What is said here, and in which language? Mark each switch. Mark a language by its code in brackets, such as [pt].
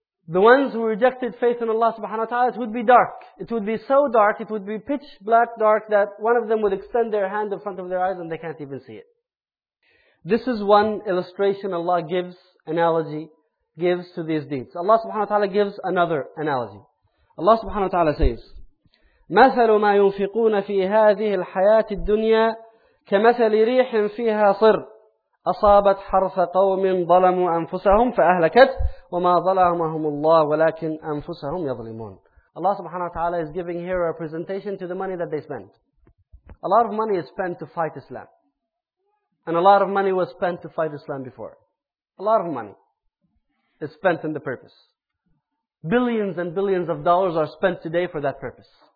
[en] The ones who rejected faith in Allah subhanahu wa ta'ala, it would be dark. It would be so dark, it would be pitch black dark that one of them would extend their hand in front of their eyes and they can't even see it. This is one illustration Allah gives, analogy, gives to these deeds. Allah subhanahu wa ta'ala gives another analogy. Allah subhanahu wa ta'ala says, [ar] مَثَلُ مَا يُنْفِقُونَ فِي هَذِهِ الْحَيَاةِ الدُّنْيَا كَمَثَلِ رِيحٍ فِيهَا صِرٍ أصابت حرث قوم ظلموا أنفسهم فأهلكت وما ظلمهم الله ولكن أنفسهم يظلمون. [en] Allah subhanahu wa ta'ala is giving here a presentation to the money that they spent. A lot of money is spent to fight Islam. And a lot of money was spent to fight Islam before. A lot of money is spent in the purpose. Billions and billions of dollars are spent today for that purpose.